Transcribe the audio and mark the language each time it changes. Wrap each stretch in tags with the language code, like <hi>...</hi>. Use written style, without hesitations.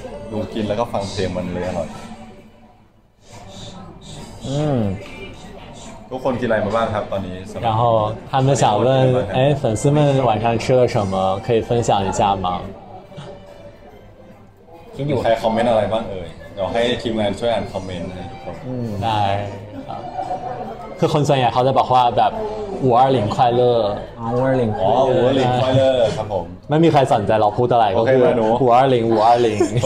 <th>ดูกินแล้วก็ฟังเพลงมันเลยอร่อย。 ทุกคนกินอะไรมาบ้างครับตอนนี้</th> <zh>然后他们想问哎粉丝们晚上吃了什么可以分享一下吗</zh> <th>ใครคอมเมนต์อะไรบ้างเอ่ยเดี๋ยวให้ทีมงานช่วยอ่านคอมเมนต์นะทุกคนได้ครับคือคนส่วนใหญ่เขาจะบอกว่าแบบ520</th> <zh>快乐 520快乐</zh> <th>ครับผม ไม่มีใครสนใจเราพูดอะไรก็คือ520</th>